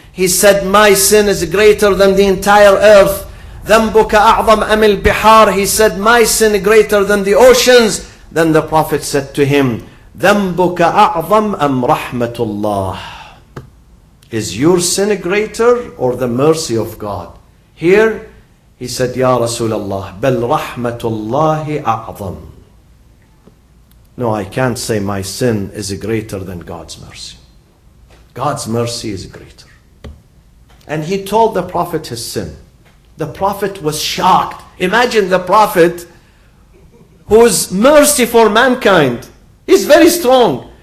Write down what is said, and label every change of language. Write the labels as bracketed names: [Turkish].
[English] He said, my sin is greater than the entire earth. [Arabic] ذَنْبُكَ أَعْظَمْ أَمِ الْبِحَارِ. [English] He said, my sin is greater than the oceans. Then the Prophet said to him, [Arabic] ذَنْبُكَ أَعْظَمْ أَمْ رَحْمَةُ اللَّهِ. [English] Is your sin greater or the mercy of God? Here, he said, [Arabic] يَا رَسُولَ اللَّهِ بَلْ رَحْمَةُ اللَّهِ أَعْظَمْ. [English] No, I can't say my sin is greater than God's mercy. God's mercy is greater. And he told the Prophet his sin. The Prophet was shocked. Imagine the Prophet, whose mercy for mankind is very strong.